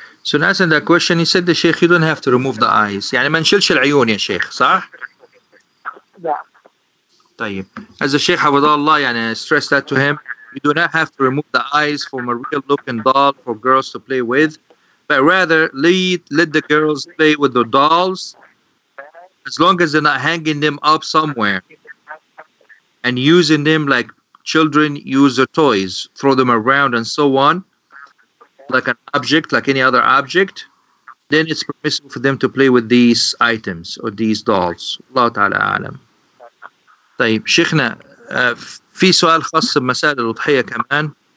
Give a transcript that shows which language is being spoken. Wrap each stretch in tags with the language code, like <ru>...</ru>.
<en>So now in that question, he said, the Sheikh, you don't have to remove the eyes.</en> <ar>يعني ما نشيلش العيون يا شيخ, صح؟ لا. طيب.</ar> <en>As the Sheikh حفظه الله, يعني stress that to him, you do not have to remove the eyes from a real looking doll for girls to play with, but rather let the girls play with the dolls as long as they're not hanging them up somewhere and using them like children use their toys, throw them around and so on, like an object, like any other object, then it's permissible for them to play with these items or these dolls.</en> <ar>Allah Ta'ala A'lam. طيب شيخنا, في سؤال خاص بمسائل الأضحية كمان.</ar>